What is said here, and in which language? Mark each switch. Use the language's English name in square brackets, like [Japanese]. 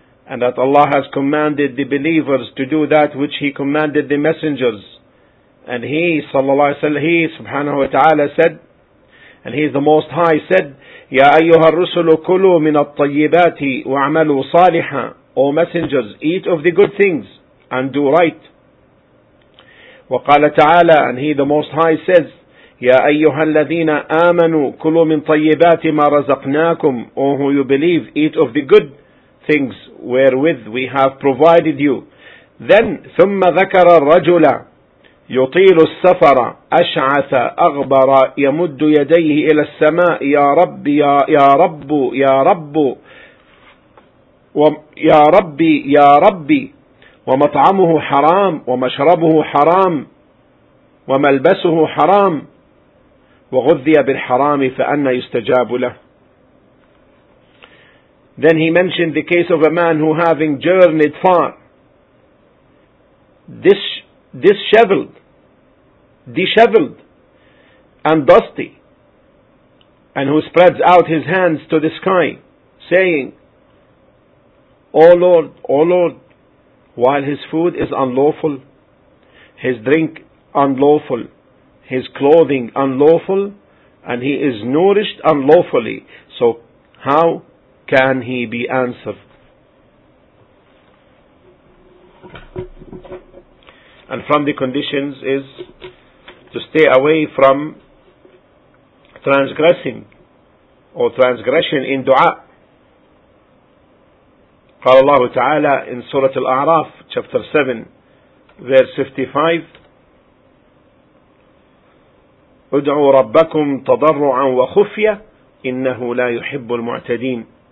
[English] And that Allah has commanded the believers to do that which He commanded the messengers. And He, sallallahu alayhi wa sallam, He, subhanahu wa ta'ala, said, and He, the Most High, said, [Arabic] يَا أَيُّهَا الرُّسُلُ كُلُوا مِنَ الطَّيِّبَاتِ وَعْمَلُوا صَالِحًا. [English] O messengers, eat of the good things and do right. [Arabic] وَقَالَ تَعَالَى, [English] and He, the Most High, says, [Arabic] يا أيها الذين آمنوا كلوا من طيبات ما رزقناكم. [English] O who you believe, eat of the good things wherewith we have provided you. Then [Arabic] ثم ذكر الرجل يطيل السفر أشعث أغبر يمد يديه إلى السماء يا رب يا رب يا رب يا رب يا رب ومطعمه حرام ومشربه حرام وملبسه حرام وَغُذِّيَ بِالْحَرَامِ فَأَنَّ يُسْتَجَابُ لَهُ. [English] Then he mentioned the case of a man who, having journeyed far, disheveled, disheveled and dusty, and who spreads out his hands to the sky, saying, O Lord, O Lord, while his food is unlawful, his drink unlawful, his clothing unlawful, and he is nourished unlawfully, so how can he be answered? And from the conditions is to stay away from transgressing or transgression in dua. [Arabic] قال الله تعالى [English] in Surah Al-A'raf, chapter 7, verse 55, [Arabic] ادعوا ربكم تضرعا وخفيا إنه لا يحب المعتدين.